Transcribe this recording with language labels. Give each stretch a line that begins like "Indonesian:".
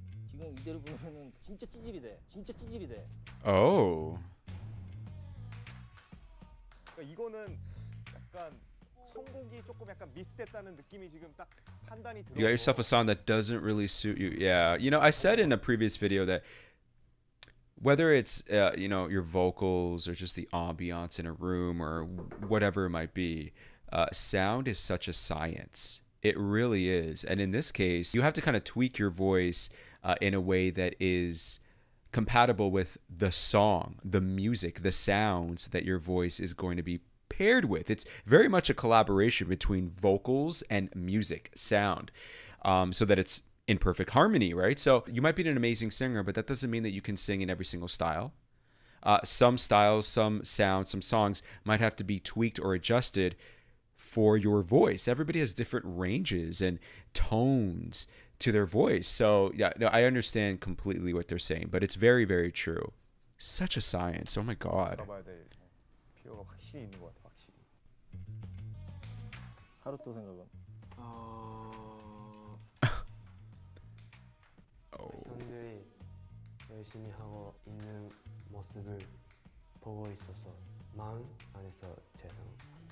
Korean: 지금 이대로 부르면 진짜 찌질이 돼. 진짜 찌질이 돼. 오. 그러니까 이거는 약간 선곡이 조금 약간 미스됐다는 느낌이 지금 딱
English: You got yourself a song that doesn't really suit you. Yeah, you know, I said in a previous video that whether it's, you know, your vocals or just the ambiance in a room or whatever it might be, sound is such a science. It really is. And in this case, you have to kind of tweak your voice in a way that is compatible with the song, the music, the sounds that your voice is going to be paired with. It's very much a collaboration between vocals and music sound, so that it's in perfect harmony, right? So you might be an amazing singer, but that doesn't mean that you can sing in every single style. Some styles, some sounds, some songs might have to be tweaked or adjusted for your voice. Everybody has different ranges and tones to their voice. So yeah, no, I understand completely what they're saying, but it's very, very true. Such a science. Oh my God.
Korean: 확실히 있는 것 같아, 확실히. 하루 또 생각은? 현재 열심히 하고 있는 모습을 보고 있어서 마음 안에서 죄송합니다.